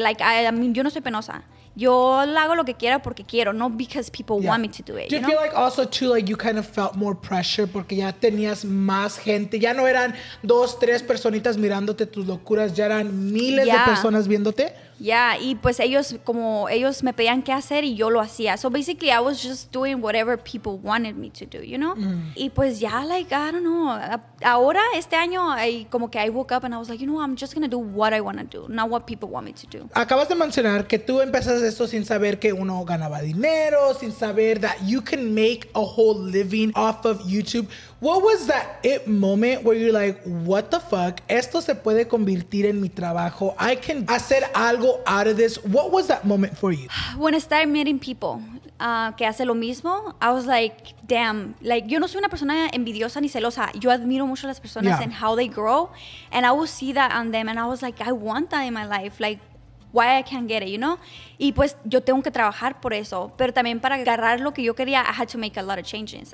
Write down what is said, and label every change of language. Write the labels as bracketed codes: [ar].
[es] Like, yo no soy penosa. Yo hago lo que quiera porque quiero, [en] not because people want me to do it. Do you know? Feel like also too, like you kind of felt more pressure [es] porque ya tenías más gente. Ya no eran dos, tres personitas mirándote tus locuras. Ya eran miles de personas viéndote. Yeah, y pues ellos, como ellos me pedían qué hacer y yo lo hacía. [en] So basically, I was just doing whatever people wanted me to do, you know? Mm. [es] Y pues ya, [en] like, I don't know. [es] Ahora, este año, como que [en] I woke up and I was like, you know, I'm just going to do what I want to do, not what people want me to do. [es] Acabas de mencionar que tú empezas esto sin saber que uno ganaba dinero, sin saber [en] that you can make a whole living off of YouTube. What was that it moment where you're like, what the fuck? [es] Esto se puede convertir en mi trabajo. [en] I can [es] hacer algo [en] out of this. What was that moment for you? When I started meeting people [es] que hace lo mismo, [en] I was like, damn. [es] Like, yo no soy una persona envidiosa ni celosa. Yo admiro mucho a las personas [en] and how they grow. And I would see that on them. And I was like, I want that in my life. Like, why I can't get it, you know? [es] Y pues yo tengo que trabajar por eso. Pero también para agarrar lo que yo quería, [en] I had to make a lot of changes.